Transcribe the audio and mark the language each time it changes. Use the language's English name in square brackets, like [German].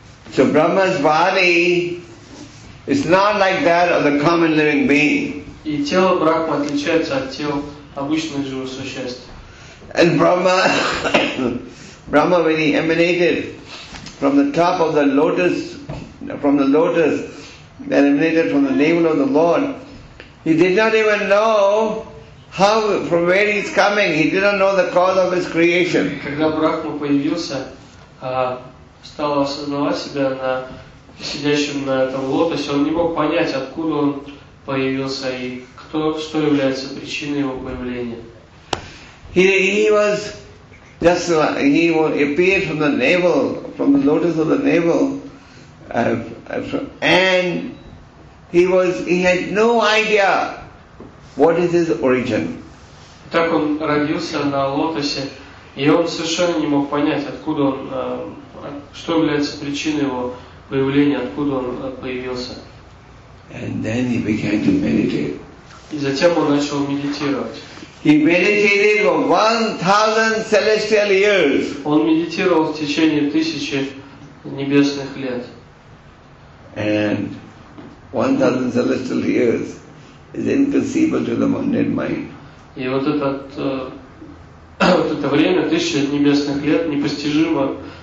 [English] So Brahma's body is not like that of the common living being. [Russian] И тело Брахмы отличается от тел обычных живых существ. [English] And Brahma, when he emanated from the top of the lotus, from the lotus that emanated from the navel of the Lord, he did not even know how, from where he is coming. He did not know the cause of his creation. [Russian] Когда Брахма появился, стал осознавать себя на сидящем на этом лотосе, он не мог понять, откуда он появился и что является причиной его появления. [English] He appeared from the navel, from the lotus of the navel, and he had no idea what is his origin. [Russian] Так он родился на лотосе, и он совершенно не мог понять, откуда он, что является причиной его появления, откуда он появился. [English] And then he began to meditate. [Russian] И затем он начал медитировать. [English] He meditated for 1,000 celestial years. [Russian] Он медитировал в течение тысячи небесных лет. [English] And 1,000 celestial years is inconceivable to the mundane mind. [Russian] И вот это время, тысяча небесных лет, непостижимо.